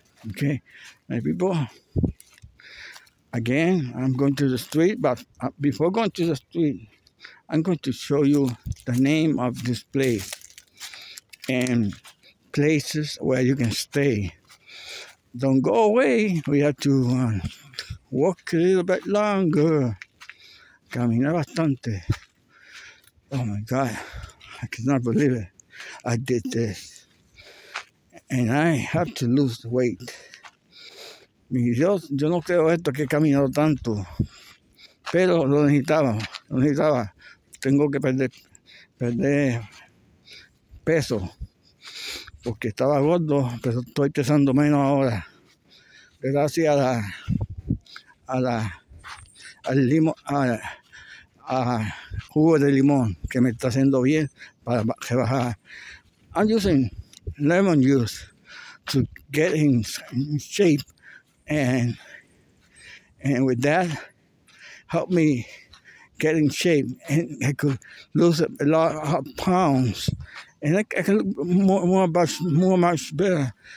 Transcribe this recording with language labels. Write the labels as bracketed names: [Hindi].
[English] Okay, my people, again, I'm going to the street, but before going to the street, I'm going to show you the name of this place and places where you can stay. Don't go away. We have to walk a little bit longer. [Spanish] Camina bastante. [English] Oh my God, I cannot believe it. I did this. And I have to lose the weight. [Spanish] Mi Dios, yo no creo esto que he caminado tanto. Pero lo necesitaba, lo necesitaba. Tengo que perder peso. Porque estaba gordo, pero estoy pesando menos ahora. Gracias a jugo de limón que me está haciendo bien para rebajar. [English] I'm using lemon juice to get in shape, and with that help me get in shape, and I could lose a lot of pounds, and I can look much better.